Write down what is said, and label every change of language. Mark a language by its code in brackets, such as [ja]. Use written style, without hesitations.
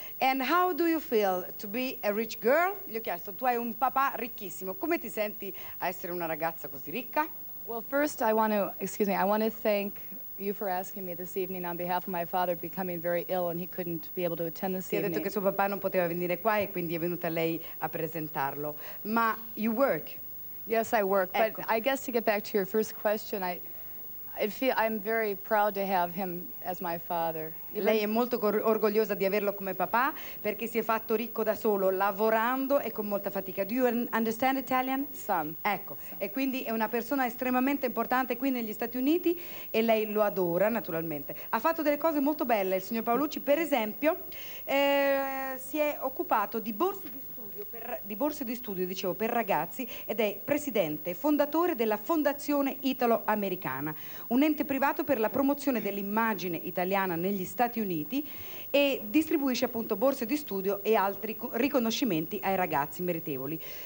[en] And how do you feel to be a rich girl? [it] Gli ho chiesto, tu hai un papà ricchissimo. Come ti senti a essere una ragazza così ricca? [en] Well, first I want to, excuse me, I want to thank you for asking me this evening on behalf of my father becoming very ill and he couldn't be able to attend this evening. [it] Ti ha detto che suo papà non poteva venire qua e quindi è venuta lei a presentarlo. Ma [en] you work? Yes, I work. [it] Ecco. [en] But I guess to get back to your first question, I'm very proud to have him as my father. [it] Lei è molto orgogliosa di averlo come papà perché si è fatto ricco da solo lavorando e con molta fatica. [en] Do you understand Italian? Some. [it] Ecco. [en] Some. [it] E quindi è una persona estremamente importante qui negli Stati Uniti e lei lo adora naturalmente. Ha fatto delle cose molto belle il signor Paolucci, per esempio, si è occupato di borse di studio per ragazzi ed è presidente fondatore della Fondazione Italo-Americana, un ente privato per la promozione dell'immagine italiana negli Stati Uniti e distribuisce appunto borse di studio e altri riconoscimenti ai ragazzi meritevoli.